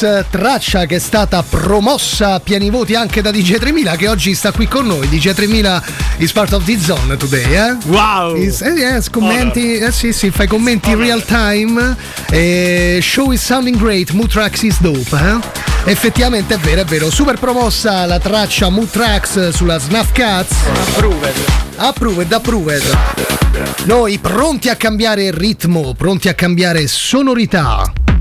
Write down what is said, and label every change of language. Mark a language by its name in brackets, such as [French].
[Italian] Traccia che è stata promossa a pieni voti anche da DJ 3000, che oggi sta qui con noi. [English] DJ 3000 is part of the zone today, eh? Wow! [Italian] Commenti, sì, fai commenti in real time. [English] Show is sounding great, Mutrax is dope, eh? [Italian] Effettivamente è vero, super promossa la traccia Mutrax sulla Snuff Cats. [English] Approved. [Italian] Noi pronti a cambiare ritmo, pronti a cambiare sonorità.